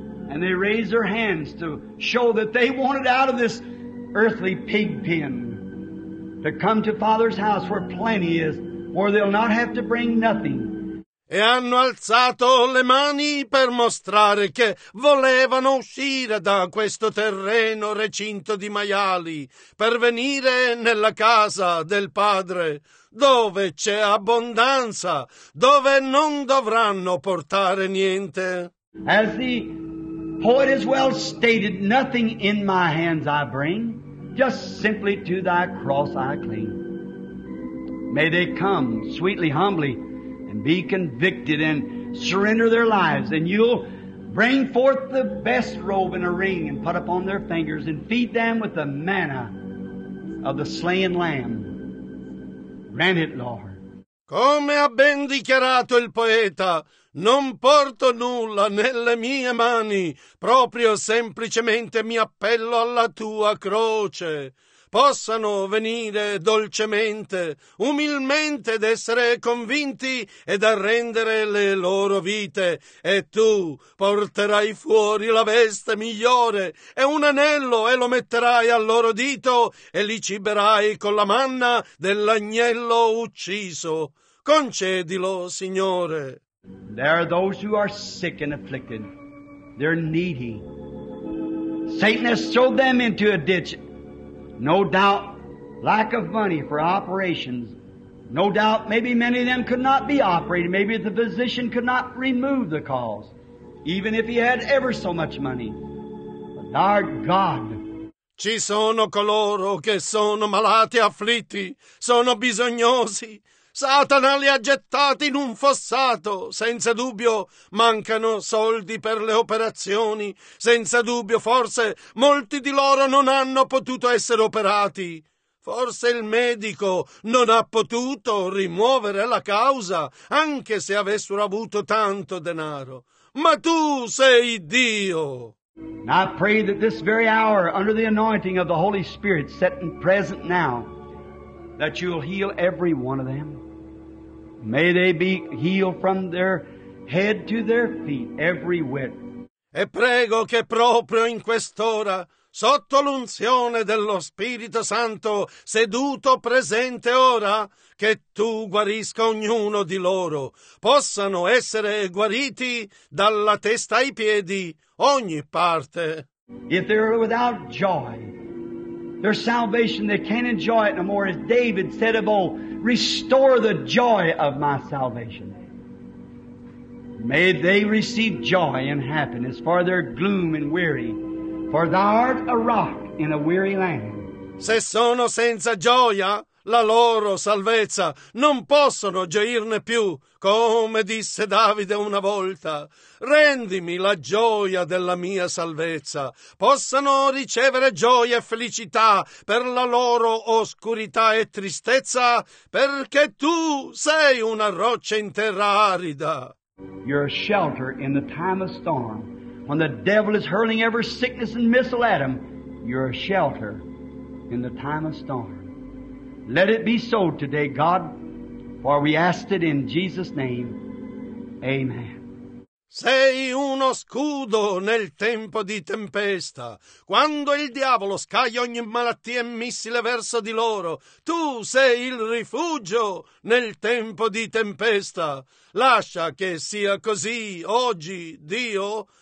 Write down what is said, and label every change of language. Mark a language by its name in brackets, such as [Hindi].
[English] And they raise their hands to show that they wanted out of this earthly pig pen. To come to Father's house where plenty is, where they'll not have to bring nothing. [Italian] E hanno alzato le mani per mostrare che volevano uscire da questo terreno recinto di maiali per venire nella casa del Padre, dove c'è abbondanza, dove non dovranno portare niente. [English] As the poet has well stated, nothing in my hands I bring. Just simply to thy cross I cling. May they come sweetly, humbly, and be convicted and surrender their lives, and you'll bring forth the best robe and a ring and put upon their fingers and feed them with the manna of the slain lamb. Grant it, Lord. [Italian] Come ha ben dichiarato il poeta, non porto nulla nelle mie mani, proprio semplicemente mi appello alla tua croce. Possano venire dolcemente, umilmente ed essere convinti ed arrendere le loro vite, e tu porterai fuori la veste migliore e un anello e lo metterai al loro dito e li ciberai con la manna dell'agnello ucciso. Concedilo, Signore. [English] There are those who are sick and afflicted. They're needy. Satan has thrown them into a ditch. No doubt, lack of money for operations. No doubt, maybe many of them could not be operated. Maybe the physician could not remove the cause, even if he had ever so much money. But our God. [Italian] Ci sono coloro che sono malati, afflitti, sono bisognosi. Satana li ha gettati in un fossato. Senza dubbio mancano soldi per le operazioni. Senza dubbio, forse, molti di loro non hanno potuto essere operati. Forse il medico non ha potuto rimuovere la causa, anche se avessero avuto tanto denaro. Ma tu sei Dio! [English] And I pray that this very hour, under the anointing of the Holy Spirit, set in present now, that you'll heal every one of them. May they be healed from their head to their feet, every whit. [Italian] E prego che proprio in quest'ora, sotto l'unzione dello Spirito Santo, seduto presente ora, che tu guarisca ognuno di loro, possano essere guariti dalla testa ai piedi, ogni parte. [English] If they're without joy, their salvation, they can't enjoy it no more, as David said of old, restore the joy of my salvation. May they receive joy and happiness for their gloom and weary, for thou art a rock in a weary land. [Italian] Se sono senza gioia, la loro salvezza, non possono gioirne più, come disse Davide una volta. Rendimi la gioia della mia salvezza. Possano ricevere gioia e felicità per la loro oscurità e tristezza, perché tu sei una roccia in terra arida. [English] You're a shelter in the time of storm. When the devil is hurling every sickness and missile at him, you're a shelter in the time of storm. Let it be so today, God, for we ask it in Jesus' name. Amen. [Italian] Sei uno scudo nel tempo di tempesta. Quando il diavolo scaglia ogni malattia e missile verso di loro, tu sei il rifugio nel tempo di tempesta. Lascia che sia così oggi, Dio.